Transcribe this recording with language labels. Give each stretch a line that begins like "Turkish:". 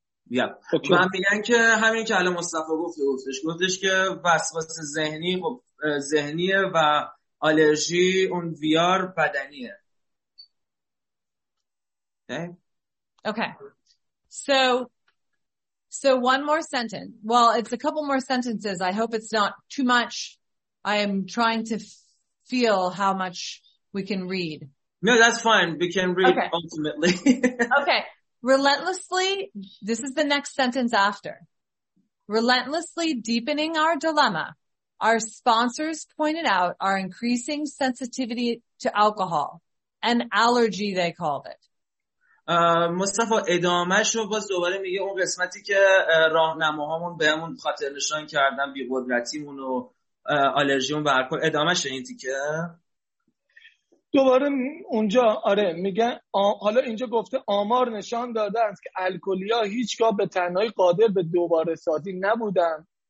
English: Yeah.
Persian: من میگن که همین که الان مصطفی گفتش که وسواس ذهنی خب ذهنیه و آلرژی اون ویار بدنیه.
English: Okay. So one more sentence. Well, it's a couple more sentences. I hope it's not too much. I am trying to feel how much we can read. No, that's fine. We can read okay. ultimately. okay. Relentlessly, this is the next sentence after. Relentlessly deepening our dilemma, our sponsors pointed out our increasing sensitivity to alcohol, an allergy they called it.
Persian: مصطفی ادامهش رو باز دوباره میگه اون قسمتی که راهنماهامون بهمون خاطر نشان کردن بی قدرتیمون و آلرژیون و الکل. ادامه شه این تیکه دوباره اونجا آره میگن حالا اینجا گفته آمار نشان داده است که الکلیا هیچگاه به تنهایی قادر به دوباره سازی نبودن.